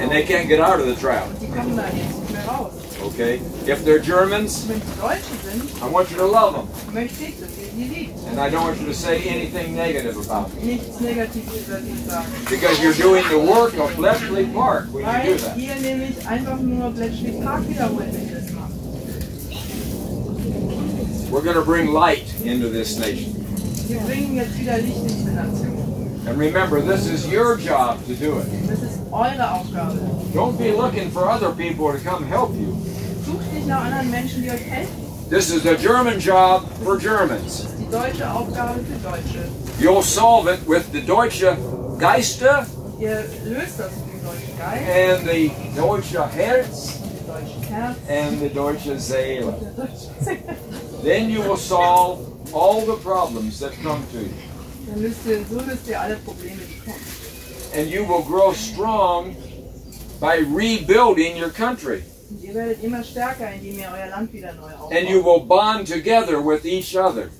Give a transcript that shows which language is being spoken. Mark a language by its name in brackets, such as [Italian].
[English] And they can't get out of the trap. [German] Die kommen da jetzt nicht mehr raus. [English] Okay. If they're Germans, [German] wenn die Deutsche sind, [English] I want you to love them. [German] Möchte ich, dass ihr sie liebt. [English] And I don't want you to say anything negative about them. [German] Nichts Negatives über sie sagen. [English] Because you're doing the work of Bletchley Park when [German] Weil [English] you do that. [German] Hier nehme ich einfach nur Bletchley Park wieder, wenn ich das mache. [English] We're going to bring light into this nation. [German] Wir bringen jetzt wieder Licht in diese Nation. [English] And remember, this is your job to do it. [German] Das ist eure Aufgabe. [English] Don't be looking for other people to come help you. [German] Sucht nicht nach anderen Menschen, die euch helfen. [English] This is a German job for Germans. [German] Das ist die deutsche Aufgabe für Deutsche. [English] You'll solve it with the [German] deutsche Geister. Ihr löst das mit dem deutschen Geist. [English] And the [German] deutsche Herz. Und [English] the [German] deutsche Seele. [English] Then you will solve all the problems that come to you. [German] Dann löst ihr alle Probleme, die kommen. [English] And you will grow strong by rebuilding your country. [German] Und ihr werdet immer stärker, indem ihr euer Land wieder neu aufbaut. [English] And you will bond together with each other.